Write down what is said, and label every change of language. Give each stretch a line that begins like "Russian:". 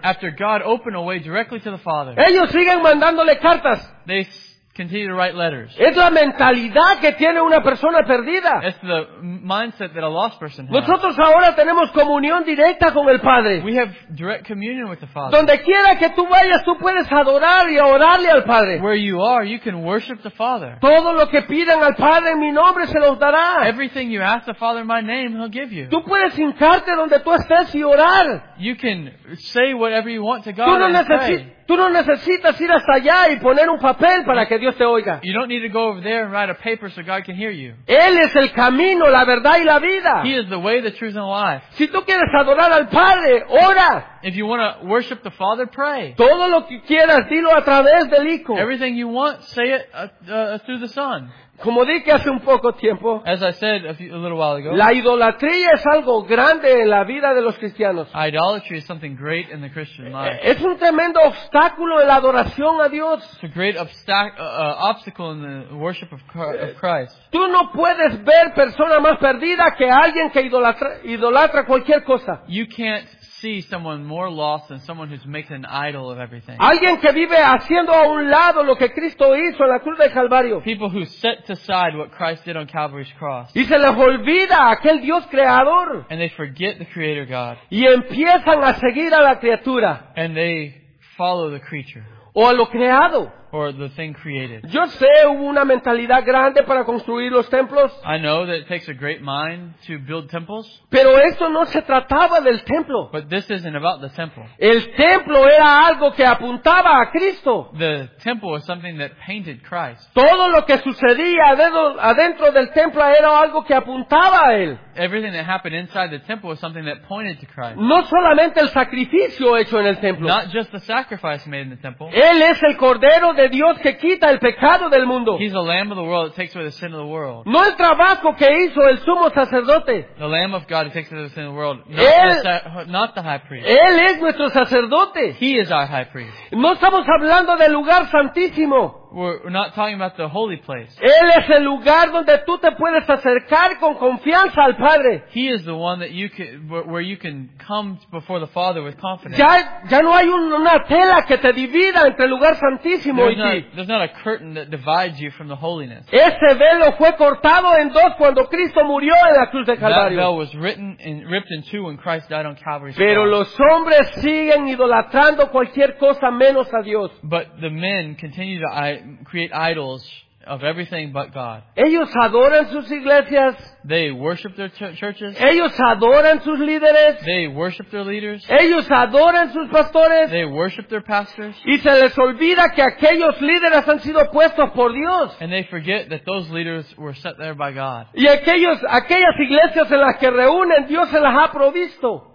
English: after God opened a way directly to the Father,
Spanish: ellos siguen mandándole cartas.
English: They continue to write letters.
Spanish: Es la mentalidad que tiene una persona perdida.
English: It's the mindset that a lost person has.
Spanish: Nosotros ahora tenemos comunión directa con el Padre.
English: We have direct communion with the Father.
Spanish: Donde quiera que tú vayas, tú puedes adorar y orarle al Padre.
English: Where you are, you can worship the Father.
Spanish: Todo lo que pidan al Padre en mi nombre se los dará.
English: Everything you ask the Father in my name, he'll give you.
Spanish: Tú puedes hincarte donde tú estés y orar.
English: You can say whatever you want to God.
Spanish: Tú no necesitas. Tú no necesitas ir hasta allá y poner un papel para que Dios te oiga.
English: You don't need to go over there and write a paper so God can hear you.
Spanish: Él es el camino, la verdad y la vida.
English: He is the way, the truth and the life.
Spanish: Si tú quieres adorar al Padre, ora.
English: If you want to worship the Father, pray.
Spanish: Todo lo que quieras, dilo a través del Hijo.
English: Everything you want, say it through the Son.
Spanish: Como dije hace un poco tiempo,
English: as I said a little while ago,
Spanish: la idolatría es algo grande en la vida de los cristianos.
English: Idolatry is something great in the Christian life.
Spanish: Es un tremendo obstáculo en la adoración a Dios.
English: It's a great obstacle in the worship of Christ.
Spanish: Tú no puedes ver persona más perdida que alguien que idolatra cualquier cosa.
English: You can't see someone more lost than someone who's making an idol of everything.
Spanish: Alguien que vive haciendo a un lado lo que Cristo hizo en la cruz del Calvario.
English: People who set aside what Christ did on Calvary's cross.
Spanish: Y se les olvida aquel Dios creador.
English: And they forget the Creator God.
Spanish: Y empiezan a seguir a la criatura.
English: And they follow the creature.
Spanish: O a lo creado.
English: or the thing created.
Spanish: Yo sé, hubo una mentalidad grande para construir los templos.
English: I know that it takes a great mind to build temples.
Spanish: Pero eso no se trataba del templo.
English: But this isn't about the temple.
Spanish: El templo era algo que apuntaba a Cristo.
English: The temple was something that painted Christ.
Spanish: Todo lo que sucedía adentro del templo era algo que apuntaba a él.
English: Everything that happened inside the temple was something that pointed to Christ.
Spanish: No solamente el sacrificio hecho en el templo.
English: Not just the sacrifice made in the temple.
Spanish: Él es el cordero de Dios que quita el pecado del mundo.
English: He's the lamb of the world that takes away the sin of the world.
Spanish: No el trabajo que hizo el sumo sacerdote.
English: The lamb of God that takes away the sin of the world. Not the high priest.
Spanish: Él es nuestro sacerdote.
English: He is our high priest.
Spanish: No estamos hablando del lugar santísimo.
English: We're not talking about the holy place.
Spanish: Él es el lugar donde tú te puedes acercar con confianza al Padre.
English: He is the one that you can, where you can come before the Father with confidence.
Spanish: Ya no hay una tela que te divida entre el lugar santísimo y
English: there's not a curtain that divides you from the holiness.
Spanish: Ese velo fue cortado en dos cuando Cristo murió en la cruz de Calvario.
English: That veil was ripped in two when Christ died on Calvary's cross.
Spanish: Pero los hombres siguen idolatrando cualquier cosa menos a Dios.
English: But the men continue to create idols of everything but God.
Spanish: Ellos adoran sus iglesias.
English: They worship their churches.
Spanish: Ellos adoran sus líderes.
English: They worship their leaders.
Spanish: Ellos adoran sus pastores.
English: They worship their pastors.
Spanish: Y se les olvida que aquellos líderes han sido puestos por Dios.
English: And they forget that those leaders were set there by God.
Spanish: Y aquellas iglesias en las que reúnen, Dios se las ha provisto.